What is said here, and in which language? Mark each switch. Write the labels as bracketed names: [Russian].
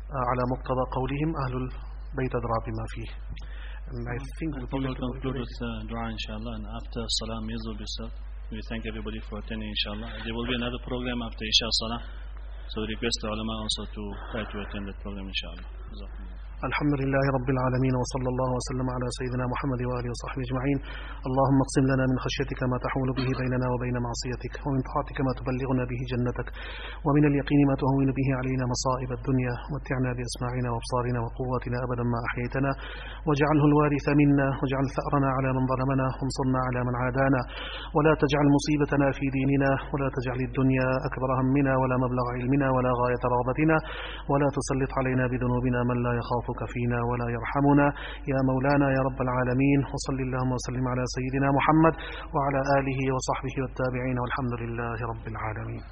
[Arabic] على مقتضى قولهم أهل البيت أدرى بما فيه. [English] And I think we will conclude with dua inshallah, and after salam yuzur bisal, we thank everybody for attending inshallah. There will be another program after Isha salam, so we request the ulama also to try to attend that program inshallah. [Arabic] الحمد لله رب العالمين وصلى الله وسلم على سيدنا محمد وآله وصحبه أجمعين اللهم اقسم لنا من خشيتك ما تحول به بيننا وبين معصيتك ومن طاعتك ما تبلغنا به جنتك ومن اليقين ما تهون به علينا مصائب الدنيا ومتعنا بأسماعنا وأبصارنا وقواتنا أبدا ما أحييتنا واجعله الوارث منا واجعل ثأرنا على من ظلمنا وانصرنا على من عادانا ولا تجعل مصيبتنا في ديننا ولا تجعل الدنيا أكبر همنا ولا مبلغ علمنا ولا غاية رغبتنا ولا تسلط علينا بذنوبنا من لا يخاف فينا ولا يرحمنا يا مولانا يا رب العالمين وصل اللهم وسلم على سيدنا محمد وعلى آله وصحبه والتابعين والحمد لله رب العالمين.